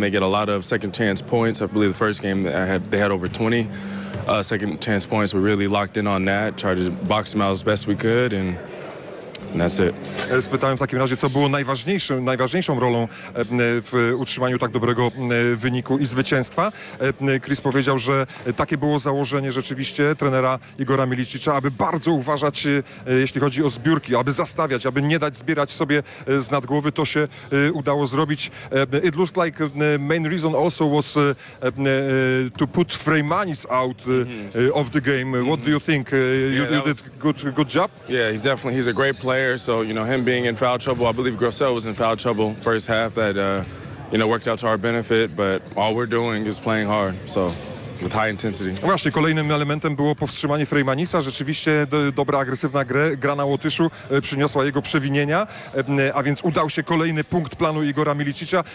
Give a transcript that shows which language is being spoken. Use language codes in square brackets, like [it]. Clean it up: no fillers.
[en] They get a lot of second chance points. I believe the first game they had over 20 second chance points. We really locked in on that, tried to box them out as best we could, and that's it. [pl] Spytałem w takim razie, co było najważniejszą rolą w utrzymaniu tak dobrego wyniku i zwycięstwa. Chris powiedział, że takie było założenie rzeczywiście trenera Igora Milicicza, aby bardzo uważać, jeśli chodzi o zbiórki, aby zastawiać, aby nie dać zbierać sobie z nad głowy. To się udało zrobić. [en] It looks like the main reason also was to put Freimanis out of the game. What do you think? You did good job? Yeah, he's a great player, so, you know, him being in foul trouble, I believe Grossel was in foul trouble first half, that you know, worked out to our benefit, but all we're doing is playing hard, so with high intensity. [pl] Właśnie, kolejnym elementem było powstrzymanie Freimanisa. Rzeczywiście dobra, agresywna gra na Łotyszu przyniosła jego przewinienia, a więc udał się kolejny punkt planu Igora Milicicza.